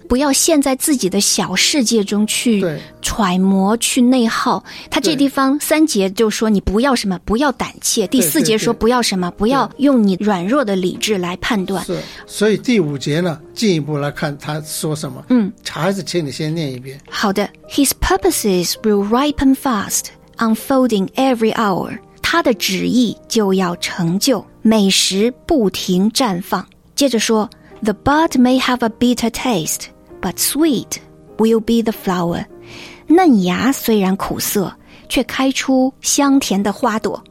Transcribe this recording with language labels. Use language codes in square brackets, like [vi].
[zh] 不要陷在自己的小世界中去揣摩、去内耗。他这地方三节就说你不要什么，不要胆怯，第四节说不要什么，不要用你软弱的理智来判断。是，所以第五节呢，进一步来看他说什么。还是请你先念一遍。好的。 [en] His purposes will ripen fast, unfolding every hour. [zh] 他的旨意就要成就，每时不停绽放。接着说 [en] The bud may have a bitter taste, but sweet will be the flower. [zh] 嫩芽虽然苦涩，却开出香甜的花朵。